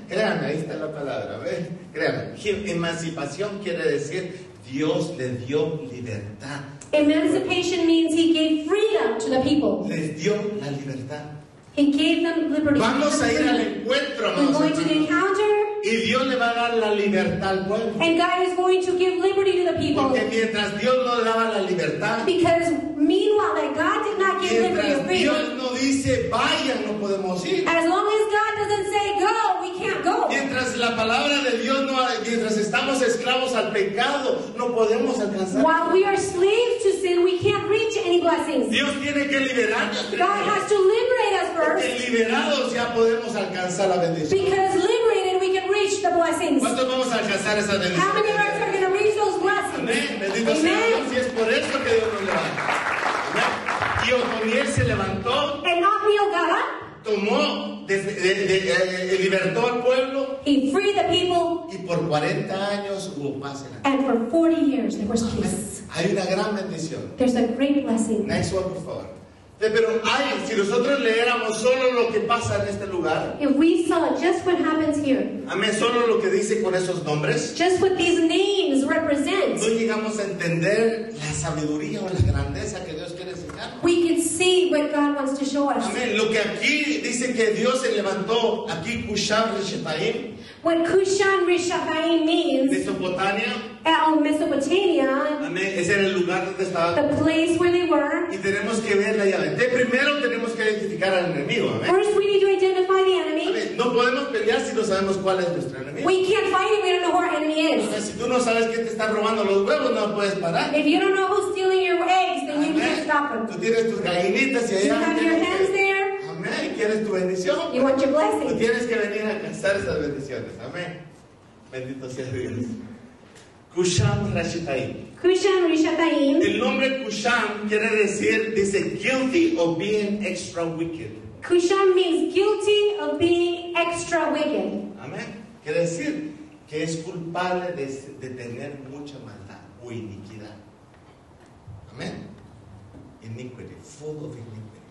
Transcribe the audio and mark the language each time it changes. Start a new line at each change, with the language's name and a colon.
Spanish: Créanme, ahí está la palabra. A ver, créanme. Emancipación quiere decir Dios le dio libertad.
English: Emancipation means he gave freedom to the people.
Spanish: Les dio la libertad.
English: He gave them liberty.
Spanish: Vamos a ir al encuentro.
English: We're going to the encounter.
Spanish: Y Dios le va a dar la libertad al pueblo.
English: And God is going to give liberty to the people.
Spanish: Porque mientras Dios no daba la libertad.
English: Because meanwhile that God did not give liberty or freedom.
Spanish: Mientras Dios no dice vayan, no podemos ir.
English: As long as God doesn't say go, we can't go.
Spanish: Mientras la palabra de Dios no, mientras estamos esclavos al pecado, no podemos alcanzar.
English: While we are slaves to sin, we can't reach any blessings.
Spanish: Dios tiene que liberarnos.
English: God has to liberate us first.
Spanish: Porque liberados ya podemos alcanzar la bendición.
English: Because liberated we can reach the blessings.
Spanish: ¿Cuántos vamos a alcanzar esa bendición?
English: How many of us are going to reach those blessings?
Spanish: Amén. Bendito sea Dios. Y es por eso que Dios nos levanta. Y Otoniel se levantó.
English: And Othniel got up.
Spanish: Tomó, libertó al pueblo.
English: He freed the people.
Spanish: Y por 40 años hubo paz en la tierra.
English: And for 40 years there was peace.
Spanish: Hay una gran bendición.
English: There's a great blessing. Next one,
Spanish: por favor. Pero hay, si nosotros leéramos solo lo que pasa en este lugar.
English: If we saw just what happens here.
Spanish: Amén, solo lo que dice con esos nombres.
English: Just what these names represent.
Spanish: No llegamos a entender la sabiduría o la grandeza que Dios quiere enseñarnos.
English: We can see what God wants to show us.
Spanish: Amén, lo que aquí dice que Dios se levantó, aquí Cushan Rishathaim.
English: What Cushan Rishathaim means.
Spanish: Mesopotamia.
English: Mesopotamia.
Spanish: Amén, ese era el lugar donde estaba.
English: The place where they were.
Spanish: Y tenemos que ver la llave. De primero tenemos que identificar al enemigo. Amén.
English: First we need to identify the enemy.
Spanish: Amén, no podemos pelear si no sabemos cuál es nuestro enemigo.
English: We can't fight if we don't know who our enemy is.
Spanish: O sea, si tú no sabes quién te está robando los huevos, no puedes parar.
English: If you don't know who's stealing your eggs, then amén. You can't stop them.
Spanish: Tú tienes tus gallinitas y allá.
English: You have your hens there.
Spanish: Amén, quieres tu bendición.
English: You want your blessing.
Spanish: Tú tienes que venir a alcanzar esas bendiciones. Amén. Bendito sea Dios. Cushan Rishathaim.
English: Cushan Rishathaim.
Spanish: El nombre Cushan quiere decir, dice,
English: guilty of being extra wicked. Cushan means guilty of being extra wicked.
Spanish: Amén. Quiere decir que es culpable de tener mucha maldad o iniquidad. Amén.
English: Iniquity, full of iniquity.